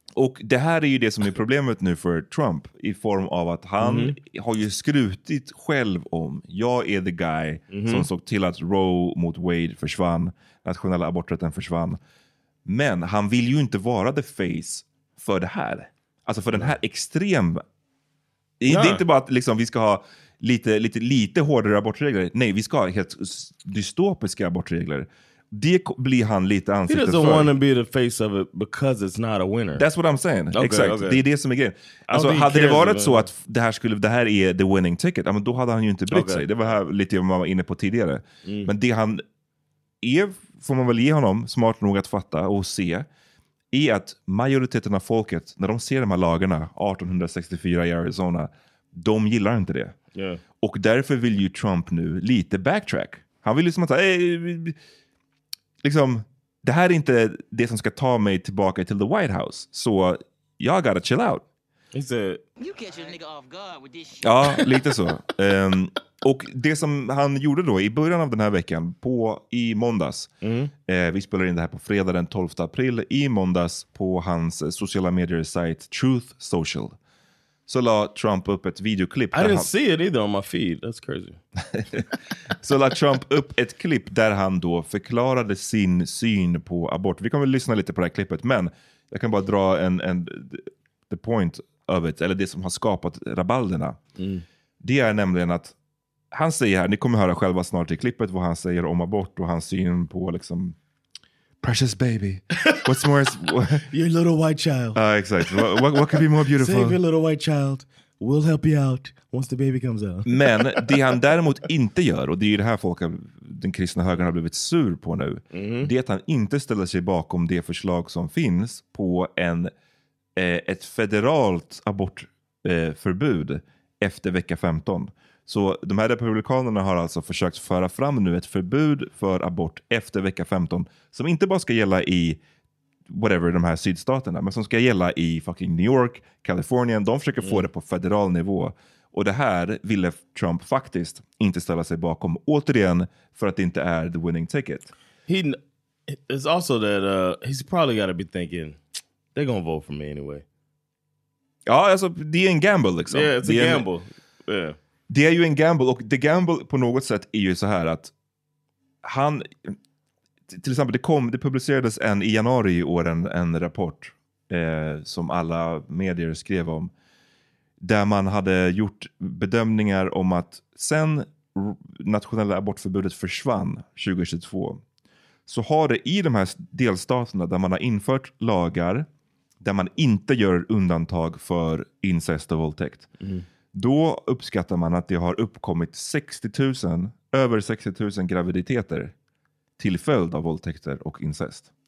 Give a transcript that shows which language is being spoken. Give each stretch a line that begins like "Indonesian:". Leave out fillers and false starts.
Swedish: Och det här är ju det som är problemet nu för Trump, i form av att han har ju skrutit själv om, jag är
English: the guy
Swedish: som såg till att Roe mot Wade försvann, nationella aborträtten försvann. Men han vill ju inte vara
English: the face
Swedish: för det här. Alltså för den här extrem... Det, det är inte bara att liksom, vi ska ha lite hårdare abortregler. Nej, vi ska ha helt dystopiska abortregler. Det blir han lite ansiktet för.
English: He doesn't want to be the face of it because it's not a winner. That's what I'm saying. Okay,
Swedish: exakt. Okay. Det är det som är grejen. Alltså, hade det varit så att det här är
English: the winning ticket,
Swedish: då hade han ju inte brytt sig. Det var här lite vad man var inne på tidigare. Mm. Men det han är, får man väl ge honom, smart nog att fatta och se, är att majoriteten av folket, när de ser de här lagarna 1864 i Arizona, de gillar inte det.
English: Yeah.
Swedish: Och därför vill ju Trump nu lite backtrack. Han vill ju som att säga, liksom, det här är inte det som ska ta mig tillbaka till the White House. Så jag
English: gotta chill out. You catch your nigga off guard with this shit.
Swedish: Ja, lite så. Och det som han gjorde då i början av den här veckan, i måndags, vi spelar in det här på fredag den 12 april, i måndags på hans sociala medier-site Truth Social, så la Trump upp ett videoklipp.
English: I didn't see it either on my feed, that's crazy.
Swedish: Så la Trump upp ett klipp där han då förklarade sin syn på abort. Vi kommer väl lyssna lite på det här klippet, men jag kan bara dra en
English: the point of it,
Swedish: eller det som har skapat rabalderna. Det är nämligen att han säger här, ni kommer höra själva snart i klippet vad han säger om abort och hans syn på liksom,
English: precious baby, what's more, your little white child. Exactly. What could be more beautiful? Save your little white child, we'll help you out once the baby comes out.
Swedish: Men det han däremot inte gör, och det är ju det här folk, den kristna högern har blivit sur på nu, det är att han inte ställer sig bakom det förslag som finns på ett federalt abortförbud efter vecka 15. Så de här republikanerna har alltså försökt föra fram nu ett förbud för abort efter vecka 15 som inte bara ska gälla i whatever de här sydstaterna, men som ska gälla i fucking New York, Kalifornien. De försöker få det på federal nivå. Och det här ville Trump faktiskt inte ställa sig bakom, återigen, för att det inte är
English: the winning ticket. It's also that he's probably got to be thinking they're gonna vote for me anyway.
Swedish: Ja, alltså det är en gamble liksom.
English: Yeah, it's a gamble. Yeah.
Swedish: Det är ju en gamble, och
English: the gamble
Swedish: på något sätt är ju så här att han, till exempel det publicerades i januari i år en rapport som alla medier skrev om, där man hade gjort bedömningar om att sen nationella abortförbudet försvann 2022, så har det i de här delstaterna där man har infört lagar där man inte gör undantag för incest och våldtäkt, då uppskattar man att det har uppkommit över 60 000 graviditeter till följd av våldtäkter och incest.